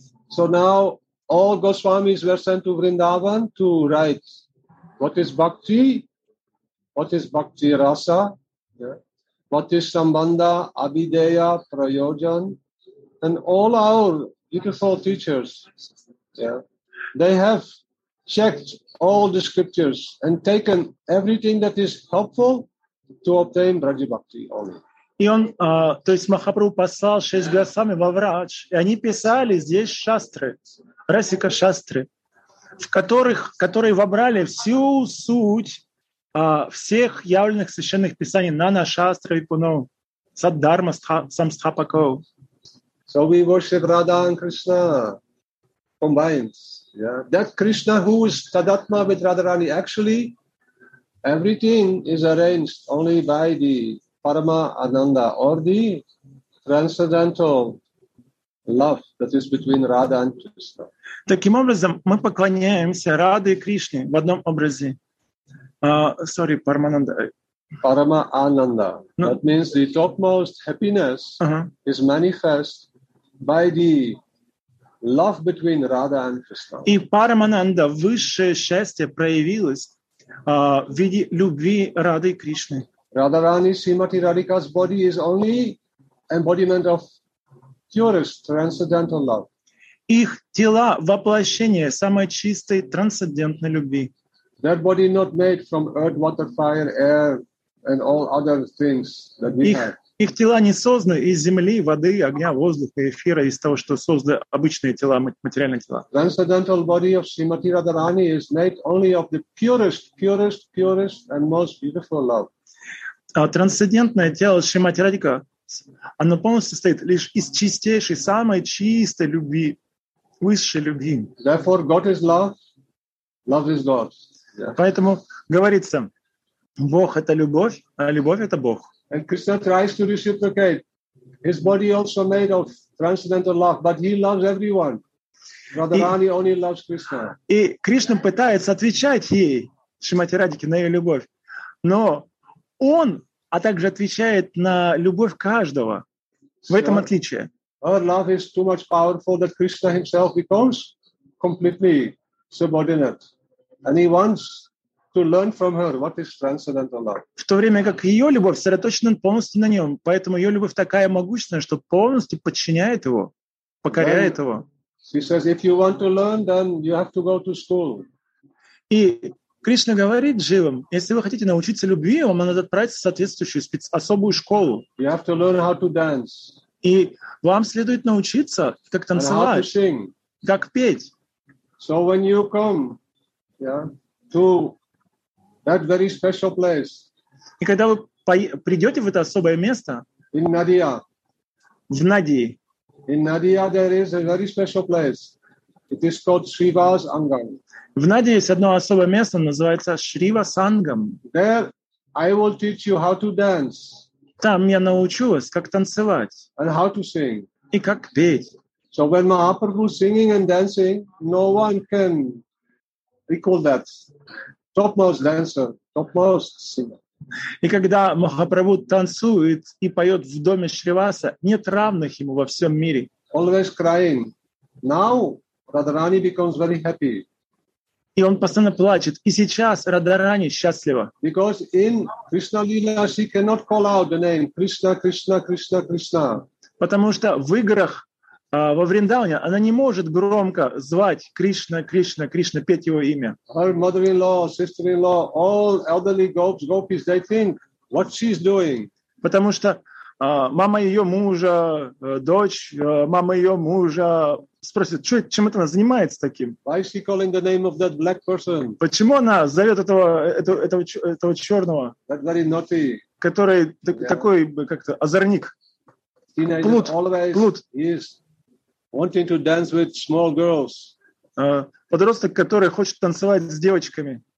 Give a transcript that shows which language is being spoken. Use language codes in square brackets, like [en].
[en] So now all Goswamis were sent to Vrindavan to write what is bhakti, what is bhakti rasa, what is sambandha, abideya, prayojan, and all our beautiful teachers, they have checked all the scriptures and taken everything that is helpful to obtain Braja Bhakti only. [ru] И он, то есть Махапрабху послал шесть гасами во врач, и они писали здесь шастры, расика шастры, в которых, которые вобрали всю суть всех явленных священных писаний [sa] нана шастры и пуно саддарма самстхапако. [en] So we worship Radha and Krishna combined. Yeah, that Krishna who is tadatma with Radharani, actually everything is arranged only by the Parama Ananda, or the transcendental love that is between Radha and Krishna. [ru] Таким образом, мы поклоняемся Раде и Кришне в одном образе. [en] Sorry, Парамананда. Parama Ananda. No. That means the topmost happiness is manifest by the love between Radha and Krishna. [ru] И Парамананда, высшее счастье, проявилось в виде любви Рады и Кришны. [en] Radharani Srimati Radhika's body is only embodiment of purest transcendental love. [ru] Их тела – воплощение самой чистой трансцендентной любви. [en] That body not made from earth, water, fire, air, and all other things that we have. [ru] Их тела не созданы из земли, воды, огня, воздуха, эфира, из того, что созданы обычные тела, материальные тела. [en] Transcendental body of Srimati Radharani is made only of the purest, purest, purest, and most beautiful love. [ru] Трансцендентное тело Шримати Радика, оно полностью состоит лишь из чистейшей, самой чистой любви, высшей любви. [en] Therefore, God is love, love is God. Yeah. [ru] Поэтому говорится, Бог — это любовь, а любовь — это Бог. [en] And Krishna tries to reciprocate. His body also made of transcendental love, but he loves everyone. Radharani only loves Krishna. [ru] И Кришна пытается отвечать ей, Шримати Радике, на ее любовь, но он, а также отвечает на любовь каждого. В этом отличие. [en] Our love is too much powerful that Krishna himself becomes completely subordinate. And he wants to learn from her what is transcendental love. [ru] В то время как ее любовь сосредоточена полностью на нем, поэтому ее любовь такая могущественная, что полностью подчиняет его, покоряет then его. [en] She says, if you want to learn, then you have to go to school. [ru] И Кришна говорит живым, если вы хотите научиться любви, вам надо отправиться в соответствующую особую школу. [en] You have to learn how to dance. [ru] И вам следует научиться, как танцевать, [en] and how to sing. [ru] Как петь. [en] So when you come, to that very special place, [ru] и когда вы придете в это особое место, [en] in Nadia, [ru] в Надии, [en] in Nadia there is a very special place. It is called Shiva's Angam. [ru] В Надии есть одно особое место, называется Шрива Сангам. [en] There I will teach you how to dance. [ru] Там я научу вас, как танцевать. [en] And how to sing. [ru] И как петь. [en] So when Mahaprabhu singing and dancing, no one can equal that. Topmost dancer, topmost singer. [ru] И когда Махапрабху танцует и поет в доме Шриваса, нет равных ему во всем мире. [en] Always crying. Now Radharani becomes very happy. [ru] И он постоянно плачет. И сейчас Радхарани счастлива. [en] Because in Krishna Lila she cannot call out the name Krishna, Krishna, Krishna, Krishna. [ru] Потому что в играх во Вриндаване она не может громко звать Кришна, Кришна, Кришна, петь его имя. [en] Her mother-in-law, sister-in-law, all elderly gopis, gopis, they think what she's doing. [ru] Потому что мама ее мужа, дочь, мама ее мужа спросит, чем это она занимается таким? [en] Why is she calling the name of that black person? [ru] Почему она зовет этого черного, [en] that very naughty, [ru] который такой как-то озорник, плут, плут. [en] Is wanting to dance with small girls. [ru] Подросток, который хочет танцевать с девочками.